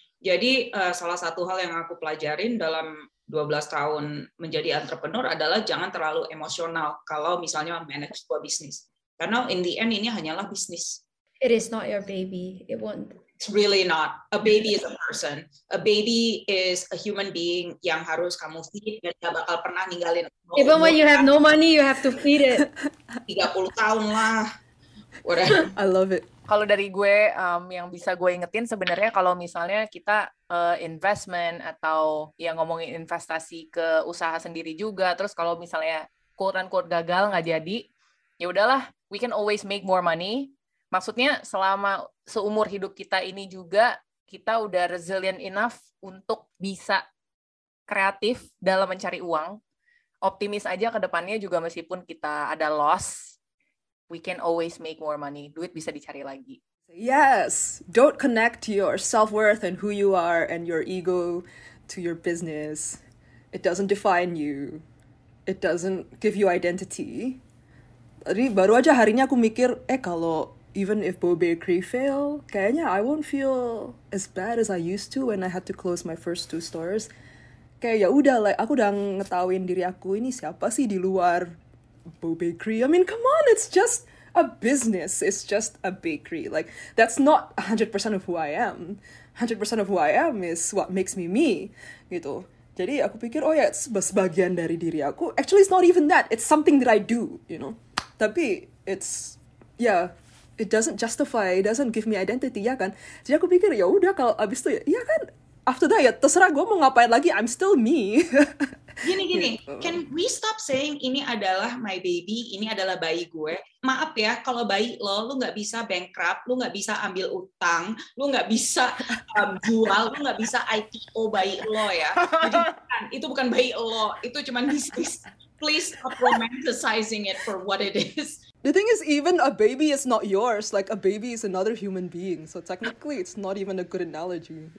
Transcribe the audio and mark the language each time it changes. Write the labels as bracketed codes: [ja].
[id] Jadi salah satu hal yang aku pelajarin dalam 12 tahun menjadi entrepreneur adalah jangan terlalu emosional kalau misalnya manage sebuah bisnis. Karena [en] in the end [id] ini hanyalah bisnis. [en] It is not your baby. It won't. It's really not. A baby is a person. A baby is a human being [id] yang harus kamu feed dan gak bakal pernah ninggalin. [en] Even when you have no money, you have to feed it. [id] 30 tahun lah. [en] Whatever. I love it. [id] Kalau dari gue, yang bisa gue ingetin sebenarnya kalau misalnya kita investment atau yang ngomongin investasi ke usaha sendiri juga, terus kalau misalnya quote-unquote gagal, gak jadi, ya udahlah, [en] we can always make more money. [id] Maksudnya selama seumur hidup kita ini juga kita udah [en] resilient enough [id] untuk bisa kreatif dalam mencari uang. Optimis aja ke depannya juga meskipun kita ada loss, [en] we can always make more money. [id] Duit bisa dicari lagi. [en] Yes, don't connect your self-worth and who you are and your ego to your business. It doesn't define you. It doesn't give you identity. [id] Jadi baru aja hari ini aku mikir, kalau [en] even if Bow Bakery fail, [id] kayaknya [en] I won't feel as bad as I used to when I had to close my first two stores. [id] Kayak ya udah, like, aku udah ngetahuin diri aku ini siapa sih di luar Bow Bakery. [en] I mean, come on, it's just a business. It's just a bakery. Like, that's not 100% of who I am. 100% of who I am is what makes me me, gitu. [id] Jadi aku pikir, oh ya, it's sebagian dari diri aku. [en] Actually, it's not even that. It's something that I do, you know. Tapi, it's, yeah, it doesn't justify, it doesn't give me identity, [id] ya kan? Jadi aku pikir, ya udah kalau abis itu, ya kan? [en] After that, [id] ya terserah gue mau ngapain lagi, [en] I'm still me. [id] Gini-gini, [en] can we stop saying [id] ini adalah [en] my baby, [id] ini adalah bayi gue? Maaf ya, kalau bayi lo, lu gak bisa bankrupt, lu gak bisa ambil utang, lu gak bisa jual, lu gak bisa IPO bayi lo ya. Jadi kan, itu bukan bayi lo, itu cuma bisnis. [en] Please stop romanticizing it for what it is. The thing is, even a baby is not yours. Like, a baby is another human being. So technically, it's not even a good analogy.